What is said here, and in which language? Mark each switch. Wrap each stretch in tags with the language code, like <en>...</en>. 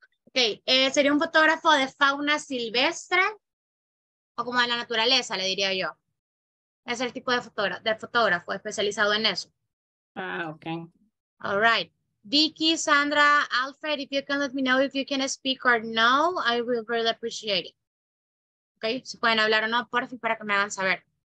<es>Okay, sería un fotógrafo de fauna silvestre o como de la naturaleza, le diría yo. Es el tipo de fotógrafo especializado en eso. Ah, okay.</es> <en>All right. Vicky, Sandra, Alfred, if you can let me know if you can speak or no, I will really appreciate it.</en> <es>Okay, si pueden hablar o no, por fin, para que me hagan saber.</es>